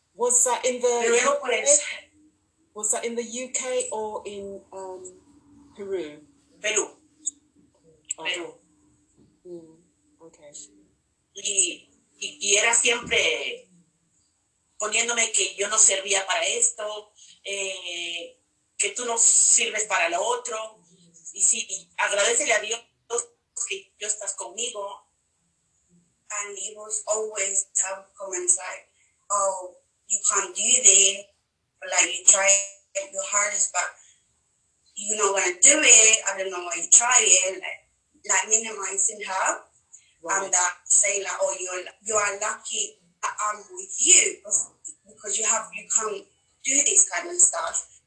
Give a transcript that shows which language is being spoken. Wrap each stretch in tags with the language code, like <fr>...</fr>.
<en>Was that in the UK or in Peru? Peru. Okay.</en> <es>Y era siempre poniéndome que yo no servía para esto, que tú no sirves para lo otro. Y sí, agradecele a Dios que tú estás conmigo.</es> <en>And he was always tough comments like, oh, you can't do this. Like, you try your hardest, but you're not going to do it. I don't know why you're trying. Like minimizing her. Right. And that saying like, oh, you are lucky I'm with you because you can't do this kind of stuff.</en>